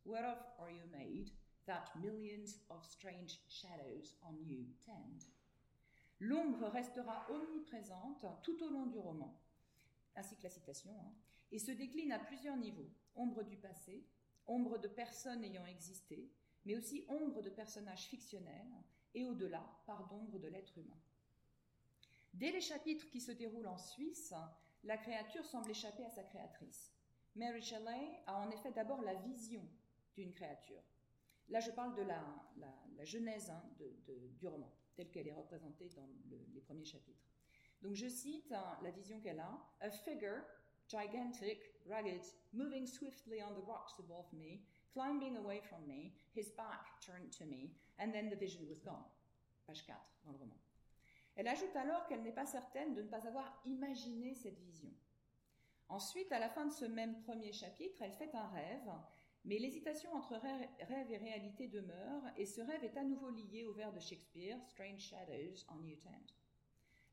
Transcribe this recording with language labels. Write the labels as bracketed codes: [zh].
[en] Whereof are you made, that millions of strange shadows on you tend? [fr] L'ombre restera omniprésente tout au long du roman, ainsi que la citation, hein, et se décline à plusieurs niveaux. Ombre du passé, ombre de personnes ayant existé, mais aussi ombre de personnages fictionnels, et au-delà, part d'ombre de l'être humain. Dès les chapitres qui se déroulent en Suisse, la créature semble échapper à sa créatrice. Mary Shelley a en effet d'abord la vision d'une créature. Là, je parle de la genèse hein, du roman, telle qu'elle est représentée dans les premiers chapitres. Donc, je cite la vision qu'elle a. [en] « A figure, gigantic, rugged, moving swiftly on the rocks above me, climbing away from me, his back turned to me, and then the vision was gone. » [fr] Page 4 dans le roman. Elle ajoute alors qu'elle n'est pas certaine de ne pas avoir imaginé cette vision. Ensuite, à la fin de ce même premier chapitre, elle fait un rêve. Mais l'hésitation entre rêve et réalité demeure, et ce rêve est à nouveau lié au vers de Shakespeare, « [en] Strange shadows on you tend ».